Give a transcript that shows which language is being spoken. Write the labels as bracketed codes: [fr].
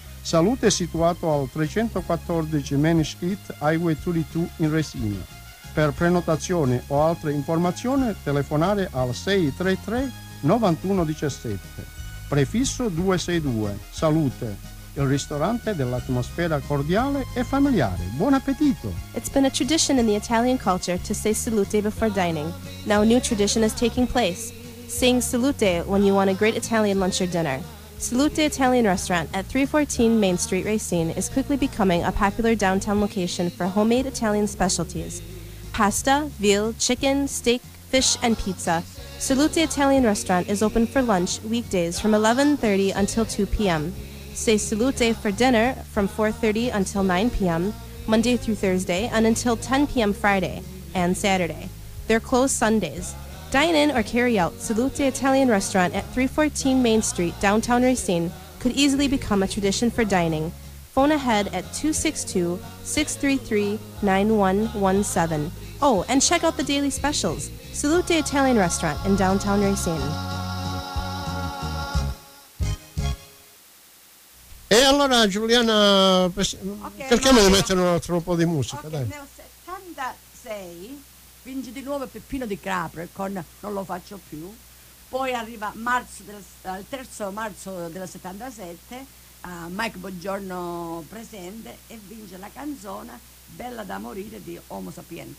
[it] Salute situato al 314 Main Street Highway 22 in Resina. Per prenotazione o altre informazioni telefonare al 633-9117, prefisso 262. Salute, il ristorante dell'atmosfera cordiale e familiare. Buon appetito! [en] It's been a tradition in the Italian culture to say salute before dining. Now a new tradition is taking place, saying salute when you want a great Italian lunch or dinner. Salute Italian Restaurant at 314 Main Street Racine is quickly becoming a popular downtown location for homemade Italian specialties. Pasta, veal, chicken, steak, fish, and pizza. Salute Italian Restaurant is open for lunch weekdays from 11:30 until 2 p.m. Say salute for dinner from 4:30 until 9 p.m. Monday through Thursday and until 10 p.m. Friday and Saturday. They're closed Sundays. Dine in or carry out, Salute Italian Restaurant at 314 Main Street, downtown Racine, could easily become a tradition for dining. Phone ahead at 262-633-9117. Oh, and check out the daily specials. Salute Italian Restaurant in downtown Racine. [it] E allora, Giuliana, cerchiamo di mettere un altro po' di musica, dai. Nel 76 vince di nuovo Peppino di Capri con Non lo faccio più. Poi arriva il 3 marzo del 77, Mike Bongiorno presente e vince la canzone Bella da morire di Homo Sapiens.